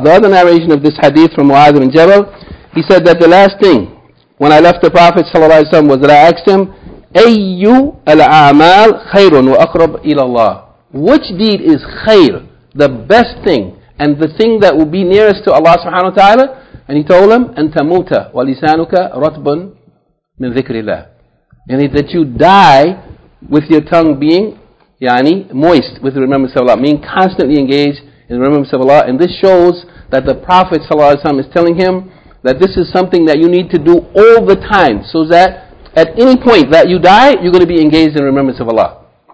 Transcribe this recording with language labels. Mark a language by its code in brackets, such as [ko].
[en] The other narration of this hadith from Mu'adh ibn Jabal, he said that the last thing when I left the Prophet ﷺ was that I asked him, [ar] أَيُّ الْأَعْمَالِ خَيْرٌ وَأَقْرَبْ إِلَى اللَّهِ. [en] Which deed is khair, the best thing, and the thing that will be nearest to Allah subhanahu wa ta'ala? And he told him, [ar] أَنْتَ مُوتَ وَلِسَانُكَ رَطْبٌ مِنْ ذِكْرِ اللَّهِ. [en] And that you die with your tongue being, yani, moist with the remembrance of Allah, meaning constantly engaged in the remembrance of Allah. And this shows that the Prophet ﷺ is telling him that this is something that you need to do all the time, so that at any point that you die, you're going to be engaged in remembrance of Allah.